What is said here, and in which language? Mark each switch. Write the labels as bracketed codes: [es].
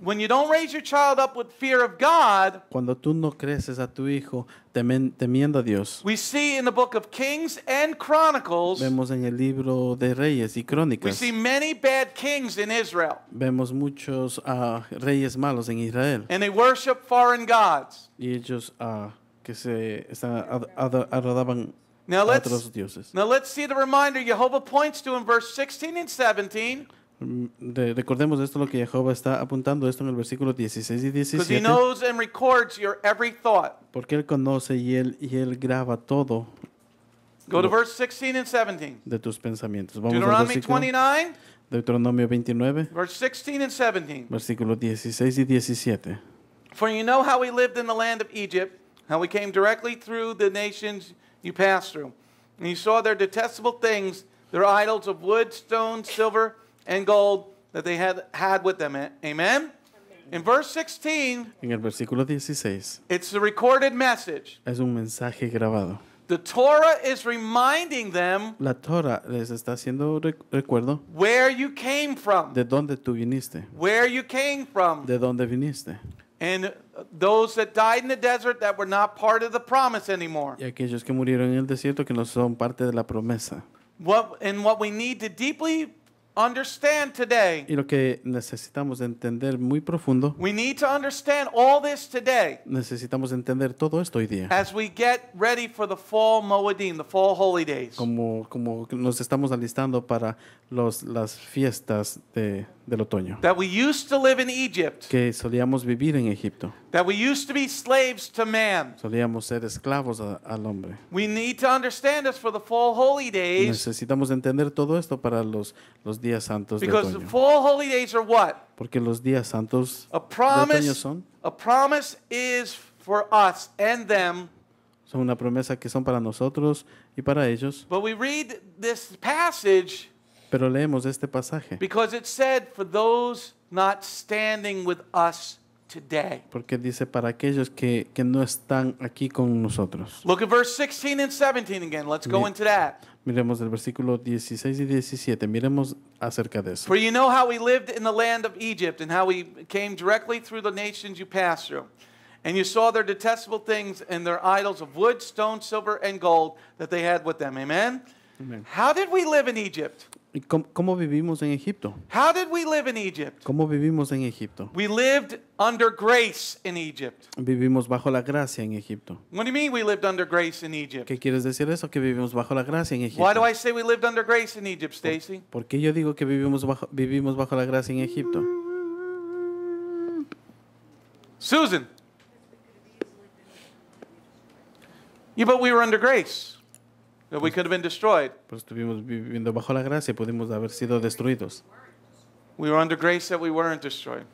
[en] when you don't raise your child up with fear of God, [es] cuando tú no creces a tu hijo temiendo a Dios, [en] we see in the book of Kings and Chronicles, [es] vemos en el libro de Reyes y Crónicas, [en] we see many bad kings in Israel. [es] Vemos muchos reyes malos en Israel. [en] And they worship foreign gods. [es] Y ellos que se están adoraban [en] now [es] a otros dioses. [en] Now let's see the reminder Jehovah points to in verse 16 and 17. [es] Recordemos esto, lo que Jehová está apuntando esto en el versículo 16 y 17. [en] Because he knows and records your every thought. [es] Porque él conoce y él graba todo. [en] Go to verse 16 and 17. [es] De tus pensamientos. Vamos [en] Deuteronomy [es] al versículo 29. Deuteronomio 29. [en] Verse 16 and 17. [es] Versículo 16 y 17. [en] For you know how we lived in the land of Egypt, how we came directly through the nations you passed through. And you saw their detestable things, their idols of wood, stone, silver, and gold that they had with them. Amen? In verse 16, [es] en el versículo 16, [en] it's a recorded message. [es] Es un mensaje grabado. [en] The Torah is reminding them, [es] la Torah les está haciendo recuerdo, [en] where you came from. [es] De donde tú viniste. [en] Where you came from. [es] De donde viniste. [en] And those that died in the desert that were not part of the promise anymore. [es] Y aquellos que murieron en el desierto que no son parte de la promesa. [en] What we need to deeply understand today. [es] Y lo que necesitamos entender muy profundo. [en] We need to understand all this today. [es] Necesitamos entender todo esto hoy día. [en] As we get ready for the fall Moedim, the fall holy days. [es] Como nos estamos alistando para las fiestas del otoño. [en] That we used to live in Egypt. [es] Que solíamos vivir en Egipto. [en] That we used to be slaves to man. [es] Solíamos ser esclavos al hombre. [en] We need to understand this for the fall holy days. [es] Necesitamos entender todo esto para los días santos de otoño. [en] Because the fall holy days are what? [es] Porque los días santos [en] a promise, [es] de otoño son. [en] A promise is for us and them. [es] Son una promesa que son para nosotros y para ellos. [en] But we read this passage. [es] Pero leemos este pasaje. [en] Because it said for those not standing with us today. [es] Porque dice para aquellos que no están aquí con nosotros. [en] Look at verse 16 and 17 again. Let's go into that. [es] Miremos el versículo 16 y 17. Miremos acerca de eso. [en] For you know how we lived in the land of Egypt and how we came directly through the nations you passed through. And you saw their detestable things and their idols of wood, stone, silver, and gold that they had with them. Amen? Amen. How did we live in Egypt? [es] ¿Cómo vivimos en Egipto? [en] How did we live in Egypt? [es] ¿Cómo vivimos en Egipto? [en] We lived under grace in Egypt. [es] Vivimos bajo la gracia en Egipto. [en] What do you mean we lived under grace in Egypt? [es] ¿Qué quieres decir eso? Que vivimos bajo la gracia en Egipto. [en] Why do I say we lived under grace in Egypt, Stacy? [es] ¿Por qué yo digo que vivimos bajo la gracia en Egipto? [en] Susan. Yeah, but we were under grace. That we could have been destroyed. [es] Pues estuvimos viviendo bajo la gracia, pudimos haber sido destruidos. [en] We were under grace that we weren't destroyed.